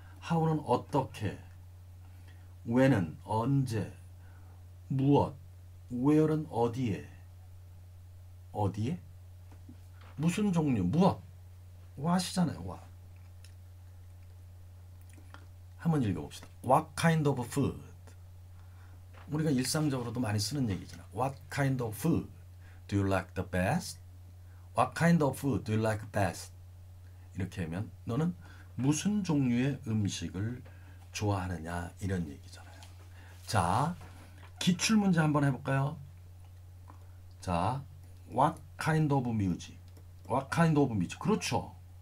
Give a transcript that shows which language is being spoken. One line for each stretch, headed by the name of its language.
Korean: How는 어떻게, when은 언제, 무엇, where은 어디에, 어디에? 무슨 종류, 무엇? 와 하시잖아요, 와. 한번 읽어봅시다.
English: What kind of food?
Korean: 우리가 일상적으로도 많이 쓰는 얘기잖아.
English: What kind of food do you like the best? What kind of food do you like best?
Korean: 이렇게 하면 너는 무슨 종류의 음식을 좋아하느냐? 이런 얘기잖아요. 자, 기출문제 한번 해볼까요?
English: 자, What kind of music? What kind of music? 그렇죠.